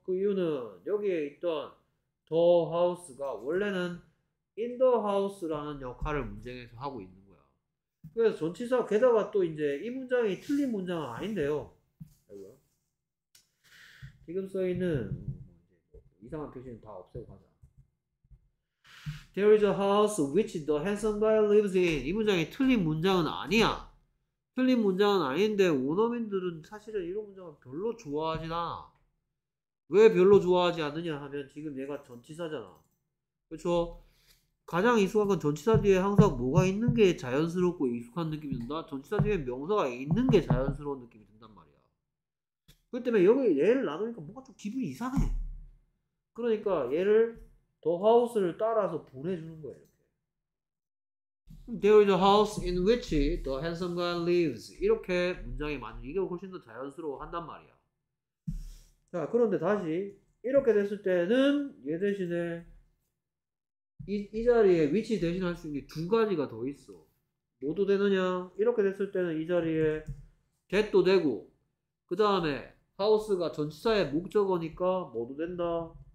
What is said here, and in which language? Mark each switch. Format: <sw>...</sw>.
<ko>그 이유는 여기에 있던 the house가 원래는 in the house라는 역할을 문장에서 하고 있는 거야. 그래서 전치사 게다가 또 이제 이 문장이 틀린 문장은 아닌데요. 지금 써 있는 이상한 표시는 다 없애고 가자.</ko> <en>There is a house which the handsome guy lives in.</en> <ko>이 문장이 틀린 문장은 아니야. 틀린 문장은 아닌데 원어민들은 사실은 이런 문장을 별로 좋아하진 않아. 왜 별로 좋아하지 않느냐 하면 지금 얘가 전치사잖아. 그렇죠? 가장 익숙한 건 전치사 뒤에 항상 뭐가 있는 게 자연스럽고 익숙한 느낌이 든다. 전치사 뒤에 명사가 있는 게 자연스러운 느낌이 든단 말이야. 그 때문에 여기 얘를 놔두니까 뭔가 좀 기분이 이상해. 그러니까 얘를 더 하우스를 따라서 보내주는 거야, 이렇게.</ko> <en>There is a house in which the handsome guy lives.</en> <ko>이렇게 문장이 맞는 이게 훨씬 더 자연스러워 한단 말이야. 자, 그런데 다시 이렇게 됐을 때는 얘 대신에 이 자리에 위치 대신 할수 있는 게두 가지가 더 있어. 뭐도 되느냐? 이렇게 됐을 때는 이 자리에 that도 되고, 그 다음에 house가 전치사의 목적어니까 뭐도 된다.</ko>